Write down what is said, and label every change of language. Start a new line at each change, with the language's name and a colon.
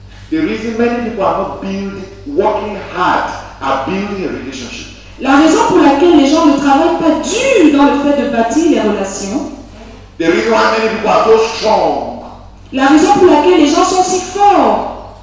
English: the reason many people are not building, working hard, are building a relationship.
French: La raison pour laquelle les gens ne travaillent pas dur dans le fait de bâtir les relations.
English: The reason why many people are so strong.
French: La raison pour laquelle les gens sont si forts.